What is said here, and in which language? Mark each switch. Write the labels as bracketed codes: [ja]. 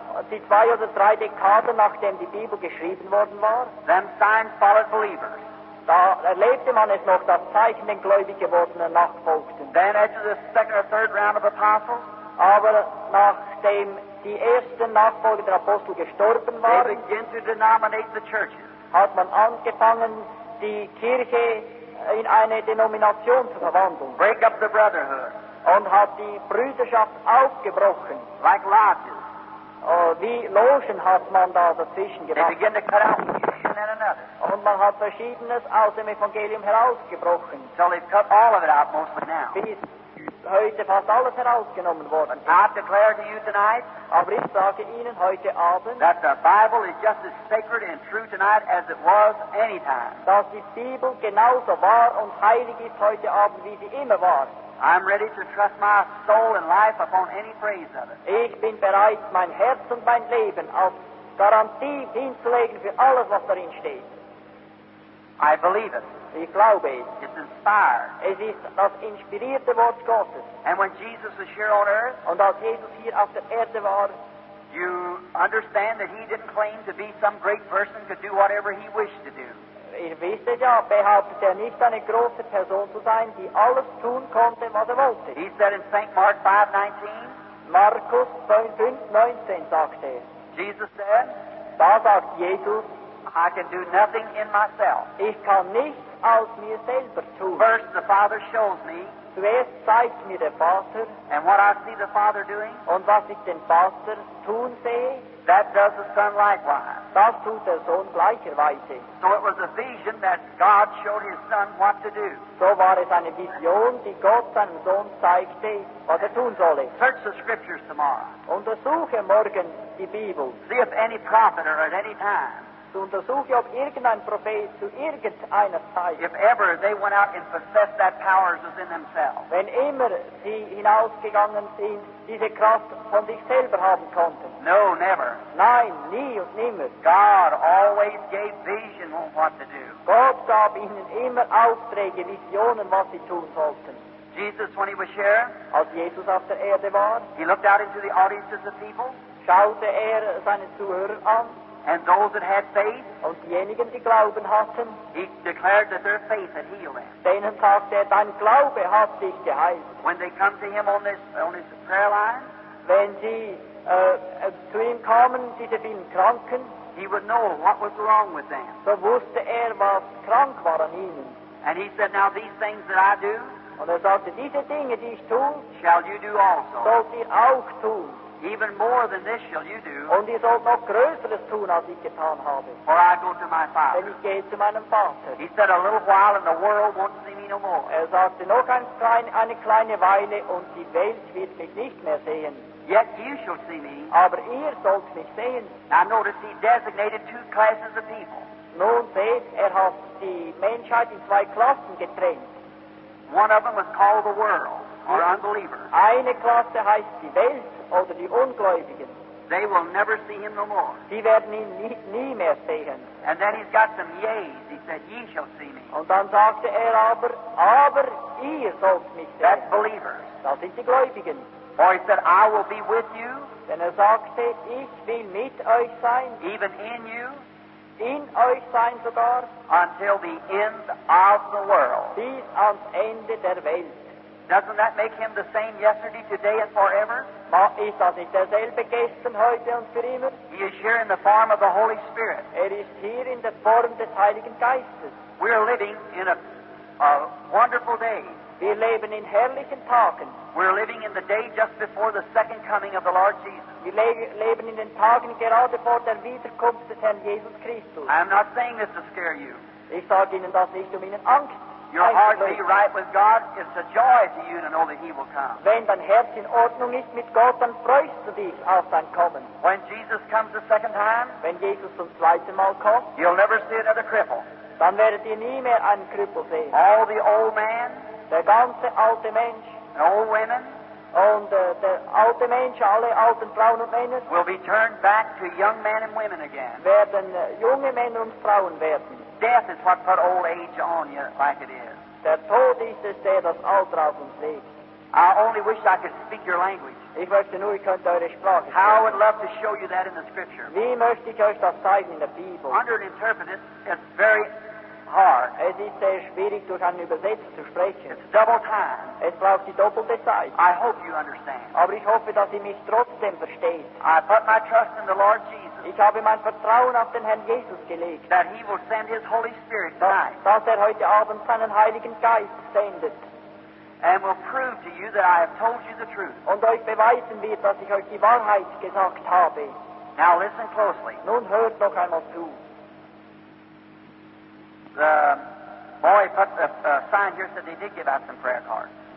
[de] die zwei oder drei Dekaden, nachdem die Bibel geschrieben worden war, [en] them signs followed believers. [de] Da erlebte man es noch, dass Zeichen den gläubig gewordenen nachfolgten. [en] Then after the second or third round of apostles, [de] aber nachdem die ersten Nachfolger der Apostel gestorben waren, [en] they begin to denominate the churches. [de] Hat man angefangen, die Kirche in eine Denomination zu verwandeln. [en] Break up the brotherhood. [de] Und hat die Brüderschaft aufgebrochen. [en] Like lodges. [de] Wie Logen hat man da dazwischen gemacht. [en] They begin to cut out one and then another. [de] Und man hat Verschiedenes aus dem Evangelium herausgebrochen. [en] So they've cut all of it out mostly now. [de] Heute fast alles herausgenommen worden. [en] But I declare to you tonight, [de] aber ich sage Ihnen heute Abend, [en] that the Bible is just as sacred and true tonight as it was any time. [de] Dass die Bibel genauso wahr und heilig ist heute Abend, wie sie immer war. [en] I'm ready to trust my soul and life upon any praise of it. [de] Ich bin bereit, mein Herz und mein Leben auf Garantie hinzulegen für alles, was darin steht. [en] I believe it. [de] Ich glaube es. [en] It's inspired. [de] Es ist das inspirierte Wort Gottes. [en] And when Jesus was here on earth, [de] und als Jesus hier auf der Erde war, [en] you understand that he didn't claim to be some great person, could do whatever he wished to do. [de] Ihr wisst ja, behauptet er nicht, eine große Person zu sein, die alles tun konnte, was er wollte. [en] He said in St. Mark 5:19, [de] Markus 5:19 sagte er, [en] Jesus said, [de] da sagt Jesus, [en] I can do nothing in myself. [de] Ich kann nichts aus mir selber tun. [en] First the Father shows me. [de] Zuerst zeigt mir der Vater. [en] And what I see the Father doing. [de] Und was ich den Vater tun sehe. [en] That does the Son likewise. [de] Das tut der Sohn gleicherweise. [en] So it was a vision that God showed his Son what to do. [de] So war es eine Vision, die Gott seinem Sohn zeigte, was er tun solle. [en] Search the scriptures tomorrow. [de] Untersuche morgen die Bibel. [en] See if any prophet or at any time. [de] Untersuche, ob irgendein Prophet zu irgendeiner Zeit, [en] if ever they went out and possessed that power within themselves, [de] wenn immer sie hinausgegangen sind, diese Kraft von sich selber haben konnten. [en] No, never. [de] Nein, nie und nimmer. [en] God always gave vision on what to do. [de] Gott gab ihnen immer Aufträge, Visionen, was sie tun sollten. [en] Jesus, when he was here, [de] als Jesus auf der Erde war, [en] he looked out into the audiences of people, [de] schaute er seine Zuhörer an. [en] And those that had faith, [de] und diejenigen, die Glauben hatten, [en] he declared that their faith had healed them. [de] Denen sagte er, dein Glaube hat dich geheilt. [en] When they come to him on his prayer line, [de] wenn sie zu ihm kamen, diese vielen Kranken, [en] he would know what was wrong with them. [de] So wusste er, was krank war an ihnen. [en] And he said, now these things that I do, [de] und er sagte, diese Dinge, die ich tue, [en] shall you do also. [de] Sollt ihr auch tun. [en] Even more than this shall you do. [de] Und ihr sollt noch Größeres tun, als ich getan habe. [en] Or I go to my Father. [de] Denn ich gehe zu meinem Vater. [en] He said, a little while and the world won't see me no more. [de] Er sagte, noch eine kleine Weile und die Welt wird mich nicht mehr sehen. [en] Yet you shall see me. [de] Aber ihr sollt mich sehen. [en] Now notice he designated two classes of people. [de] Nun seht, er hat die Menschheit in zwei Klassen getrennt. [en] One of them was called the world, or unbelievers. [de] Eine Klasse heißt die Welt, oder die Ungläubigen. [en] They will never see him no more. [de] Sie werden ihn nie mehr sehen. [en] And then he's got some yeas. He said, ye shall see me. [de] Und dann sagte er aber ihr sollt mich sehen. [en] That's believers. [de] Das sind die Gläubigen. [en] Or he said, I will be with you. [de] Denn er sagte, ich will mit euch sein. [en] Even in you. [de] In euch sein sogar. [en] Until the end of the world. [de] Bis ans Ende der Welt. [en] Doesn't that make him the same yesterday, today, and forever? [de] Ist das nicht derselbe gestern, heute und für immer? [en] He is here in the form of the Holy Spirit. [de] Er ist hier in der Form des Heiligen Geistes. [en] We are living in a wonderful day. [de] Wir leben in herrlichen Tagen. [en] We are living in the day just before the second coming of the Lord Jesus. [de] Wir leben in den Tagen gerade vor der Wiederkunft des Herrn Jesus Christus. [en] I am not saying this to scare you. [de] Ich sage Ihnen das nicht, um Ihnen Angst zu machen. [en] Your heart be right with God, it's a joy to you to know that he will come. [de] Wenn dein Herz in Ordnung ist mit Gott, dann freust du dich auf sein Kommen. [en] When Jesus comes the second time, [de] wenn Jesus zum zweiten Mal kommt, [en] you'll never see another cripple. [de] Dann werdet ihr nie mehr einen Krüppel sehen. [en] All the old man, [de] der ganze alte Mensch, [en] and old women, [de] und der alte Mensch, alle alten Frauen und Männer, [en] will be turned back to young men and women again. [de] Werden junge Männer und Frauen werden. [en] Death is what put old age on you like it is. [de] Der Tod ist es, der das Alter auf uns legt. [en] I only wish I could speak your language. [de] Ich möchte nur, ich könnte eure Sprache. [en] How I would love to show you that in the Scripture. [de] Wie möchte ich euch das zeigen in der Bibel? [en] Under an interpreter, it's very hard. [de] Es ist sehr schwierig, durch einen Übersetzer zu sprechen. [en] It's double time. [de] Es braucht die doppelte Zeit. [en] I hope you understand. [de] Aber ich hoffe, dass ihr mich trotzdem versteht. [en] I put my trust in the Lord Jesus. [de] Ich habe mein Vertrauen auf den Herrn Jesus gelegt. [en] That he will send his Holy Spirit tonight. [de] Dass er heute Abend seinen Heiligen Geist sendet. [en] And will prove to you that I have told you the truth. [de] Und euch beweisen wird, dass ich euch die Wahrheit gesagt habe. [en] Now listen closely. [de] Nun hört noch einmal zu. [en] The boy put the sign here said they did give out some prayer cards.